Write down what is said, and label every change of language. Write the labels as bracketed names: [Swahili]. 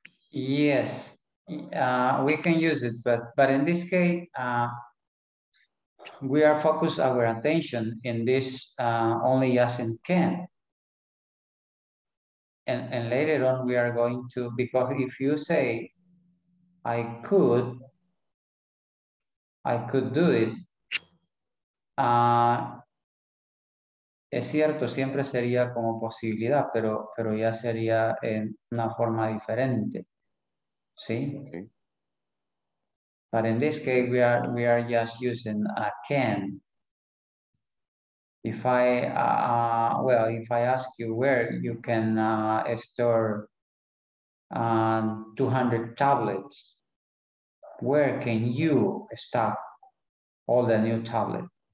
[English] Yes, we can use it, but in this case, we are focused our attention in this only yes and can. And later on, we are going to, because if you say, I could do it. [Spanish] Es cierto, siempre sería como posibilidad, pero ya sería en una forma diferente. ¿Sí? [English] Okay. But in this case, we are just using a can. If I, if I ask you where you can store 200 tablets, where can you stock all the new tablets?